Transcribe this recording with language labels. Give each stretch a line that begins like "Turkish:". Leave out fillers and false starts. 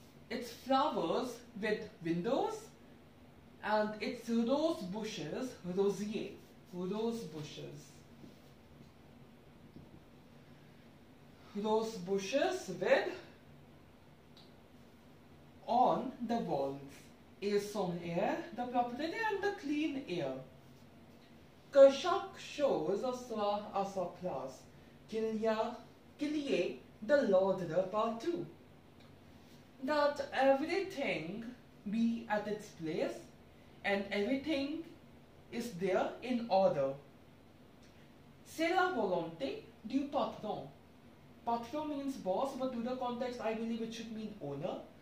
English: It's flowers with windows and it's rose bushes, rosier, rose bushes. Rose bushes with on the walls is some air, the property and the clean air.
French: Que chaque chose soit à sa place, qu'il y ait de l'ordre partout.
English: That everything be at its place and everything is there in order.
French: C'est la volonté du patron.
English: Patron means boss, but to the context I believe it should mean owner.